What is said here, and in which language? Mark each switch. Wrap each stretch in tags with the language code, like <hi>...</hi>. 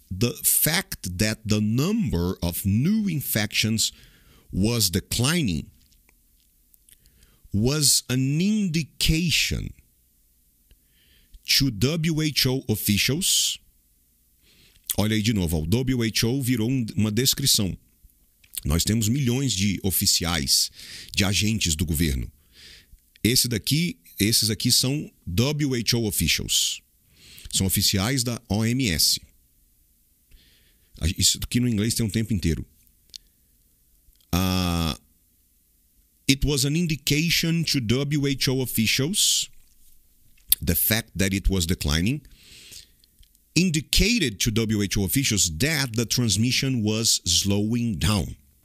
<en>The fact that the number of new infections was declining was an indication to WHO officials.</en> <pt>Olha aí de novo, o WHO virou uma descrição. Nós temos milhões de oficiais, de agentes do governo. Esse daqui, esses aqui são WHO officials. São oficiais da OMS. Isso aqui no inglês tem um tempo inteiro.</pt> <en>It was an indication to WHO officials, the fact that it was declining, indicated to WHO officials that the transmission was slowing down.</en>